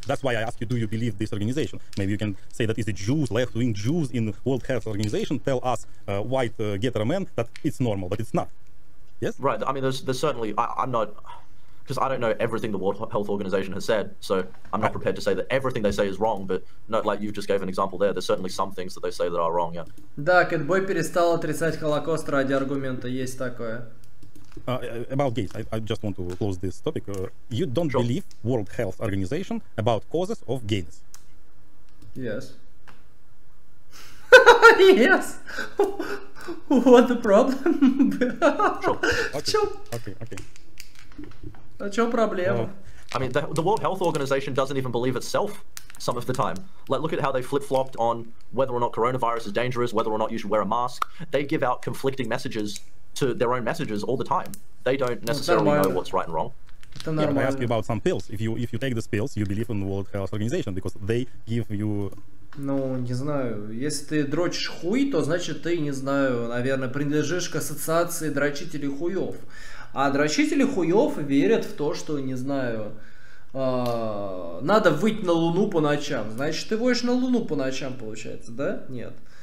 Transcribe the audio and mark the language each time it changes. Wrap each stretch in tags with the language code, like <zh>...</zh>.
<en>That's why I ask you, do you believe this organization? Maybe you can say that is the Jews, left-wing Jews in World Health Organization tell us white getter men that it's normal, but it's not. Yes? Right. I mean, there's certainly... I'm not... Because I don't know everything the World Health Organization has said, so I'm not prepared to say that everything they say is wrong, but no, like you just gave an example there, there's certainly some things that they say that are wrong, yeah.</en> <ru>Да, Кэтбой перестал отрицать Холокост ради аргумента. Есть такое.</ru> <en>About gays, I just want to close this topic. You don't believe World Health Organization about causes of gayness? Yes. Yes! What the problem? Okay.</en> <ru>А чё проблема?</ru> <en>I mean, the World Health Organization doesn't even believe itself some of the time. Like, look at how they flip-flopped on whether or not coronavirus is dangerous, whether or not you should wear a mask. They give out conflicting messages to their own messages all the time. They don't necessarily know what's right and wrong. Yeah, but I ask you about some pills. If you take these pills, you believe in the World Health Organization because they give you...</en> <ru>Ну, не знаю. Если ты дрочишь хуй, то значит ты, не знаю, наверное, принадлежишь к ассоциации дрочителей хуёв. А дрочители хуёв верят в то, что, не знаю, надо выйти на Луну по ночам. Значит, ты воешь на Луну по ночам, получается, да? Нет.</ru>